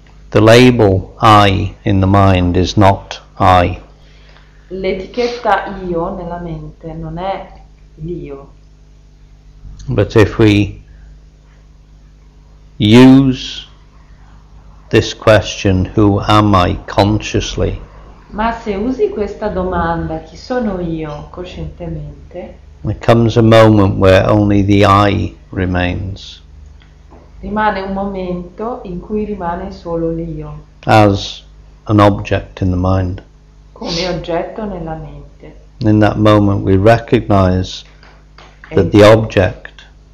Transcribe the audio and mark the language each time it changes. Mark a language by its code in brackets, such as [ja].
[en] The label I in the mind is not I. [it] L'etichetta io nella mente non è l'io. [en] But if we use this question, who am I, consciously. [it] Ma se usi questa domanda, chi sono io, coscientemente. [en] There comes a moment where only the I remains. [it] Rimane un momento in cui rimane solo l'io. [en] As an object in the mind. [it] Come oggetto nella mente. [en] In that moment we recognize that the object.